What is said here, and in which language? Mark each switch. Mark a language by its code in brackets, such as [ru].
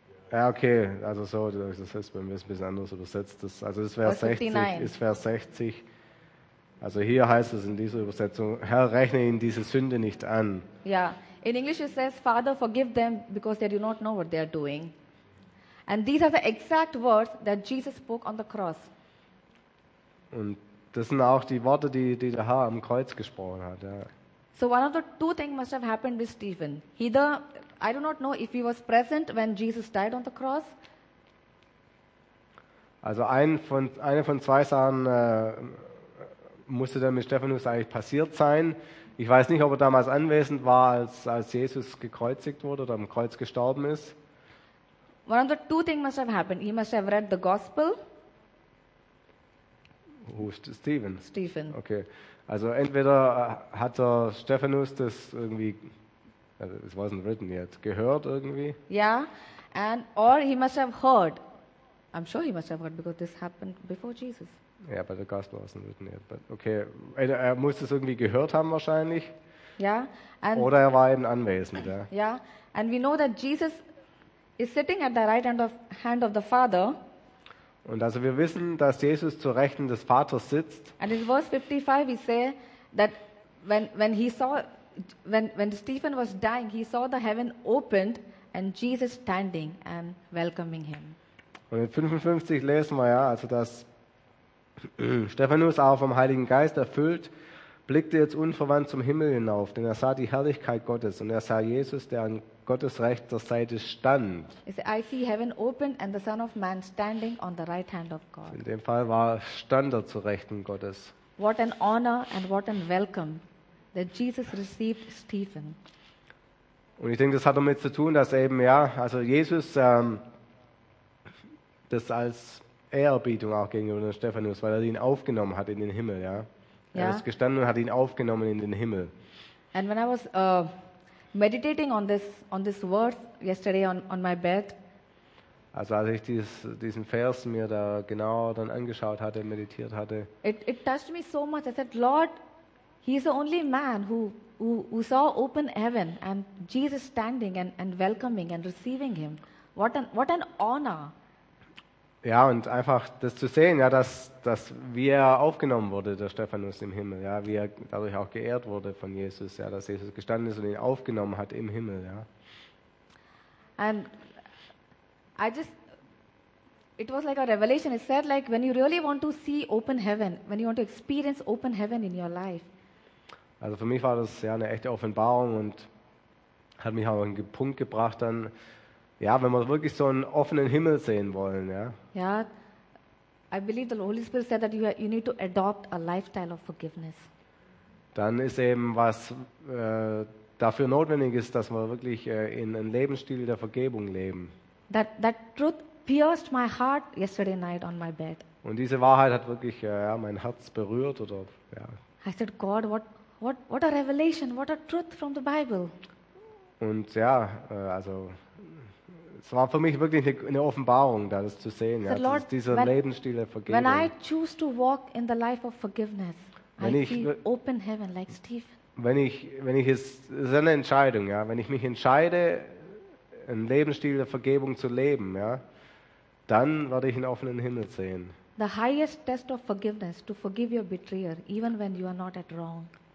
[de] Ja, okay, also so, das ist bei mir ein bisschen anders übersetzt. Vers 60. Also hier heißt es in dieser Übersetzung, Herr, rechne ihnen diese Sünde nicht an. [en] Ja, in English it says, Father, forgive them because they do not know what they are doing. And these are the exact words that Jesus spoke on the cross. [de] Und das sind auch die Worte, die der Herr am Kreuz gesprochen hat, ja. [en] So one of the two things must have happened with Stephen. Either, I do not know if he was present when Jesus died on the cross. [de] Also eine von zwei Sachen musste dann mit Stephanus eigentlich passiert sein. Ich weiß nicht, ob er damals anwesend war, als Jesus gekreuzigt wurde oder am Kreuz gestorben ist. [en] One of the two things must have happened. He must have read the gospel. Who is Stephen? Stephen. [de] Okay. Also entweder hat er Stephanus das irgendwie, [en] it wasn't written yet, [de] gehört irgendwie. [en] Yeah, and or he must have heard. I'm sure he must have heard because this happened before Jesus. Yeah, but the gospel wasn't written yet. [de] But okay, er muss das irgendwie gehört haben wahrscheinlich. [en] Yeah. [de] And oder er war eben anwesend. Ja. [en] Yeah, and we know that Jesus is sitting at the right hand of the Father. [de] Und also wir wissen, dass Jesus zu Rechten des Vaters sitzt. [en] And in verse 55 we say that when Stephen was dying, he saw the heaven opened and Jesus standing and welcoming him. [de] Und in 55 lesen wir ja, also dass Stephanus auch vom Heiligen Geist erfüllt, blickte jetzt unverwandt zum Himmel hinauf, denn er sah die Herrlichkeit Gottes und er sah Jesus, der an Gottes rechter Seite stand. [en] I see heaven opened and the Son of Man standing on the right hand of God. [de] In dem Fall war stand er zu Rechten Gottes. [en] What an honor and what a welcome that Jesus received Stephen. [de] Und ich denke, das hat damit zu tun, dass eben ja, also Jesus das als Ehrerbietung auch gegenüber dem Stephanus, weil er ihn aufgenommen hat in den Himmel, ja. Yeah. Er ist gestanden und hat ihn aufgenommen in den Himmel. [en] And when I was meditating on this verse yesterday on my bed. [de] Also als ich diesen Vers mir da genau dann angeschaut hatte, meditiert hatte. [en] It touched me so much. I said, Lord, he is the only man who saw open heaven and Jesus standing and welcoming and receiving him. What an honor. Ja, und einfach das zu sehen, ja, dass wie er aufgenommen wurde, der Stephanus im Himmel, ja, wie er dadurch auch geehrt wurde von Jesus, ja, dass Jesus gestanden ist und ihn aufgenommen hat im Himmel, ja. And I just, it was like a revelation. It said like, when you really want to see open heaven, when you want to experience open heaven in your life. [de] Also für mich war das ja eine echte Offenbarung und hat mich auch einen Punkt gebracht dann, ja, wenn wir wirklich so einen offenen Himmel sehen wollen, ja. [en] Ja, yeah, I believe the Holy Spirit said that you need to adopt a lifestyle of forgiveness. [de] Dann ist eben was dafür notwendig ist, dass wir wirklich in einem Lebensstil der Vergebung leben. [en] That truth pierced my heart yesterday night on my bed. [de] Und diese Wahrheit hat wirklich mein Herz berührt oder ja. [en] I said, God, what a revelation, what a truth from the Bible. [de] Und ja, also es war für mich wirklich eine Offenbarung, das zu sehen, ja, Lord, dieser Lebensstil der Vergebung. [en] When I choose to walk in the life of forgiveness, I see open heaven like Stephen. [de] Wenn ich es ist eine Entscheidung, ja, wenn ich mich entscheide, einen Lebensstil der Vergebung zu leben, ja, dann werde ich einen offenen Himmel sehen. [en] The highest test of forgiveness to forgive your betrayer, even when you are not at wrong.